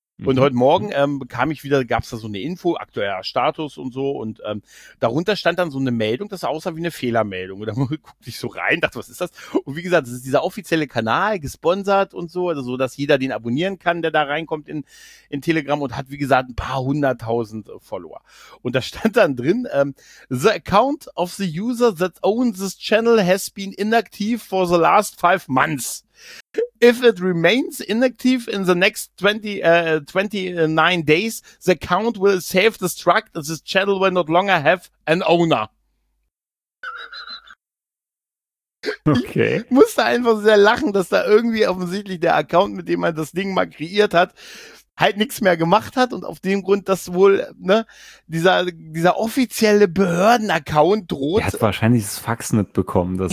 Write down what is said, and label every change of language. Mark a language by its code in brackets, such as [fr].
[de] Und heute Morgen kam ich wieder, gab es da so eine Info, aktueller Status und so. Und darunter stand dann so eine Meldung, das aussah wie eine Fehlermeldung. Und da guckte ich so rein, dachte, was ist das? Und wie gesagt, das ist dieser offizielle Kanal, gesponsert und so, also so, dass jeder den abonnieren kann, der da reinkommt in Telegram und hat, wie gesagt, ein paar hunderttausend Follower. Und da stand dann drin, [en] the account of the user that owns this channel has been inactive for the last 5 months. If it remains inactive in the next 29 days, the account will self-destruct as this channel will not longer have an owner. Okay. [de] Ich musste einfach sehr lachen, dass da irgendwie offensichtlich der Account, mit dem man das Ding mal kreiert hat, halt nichts mehr gemacht hat und auf dem Grund, dass wohl, ne, dieser offizielle Behörden-Account droht. Er hat wahrscheinlich das Fax nicht bekommen, dass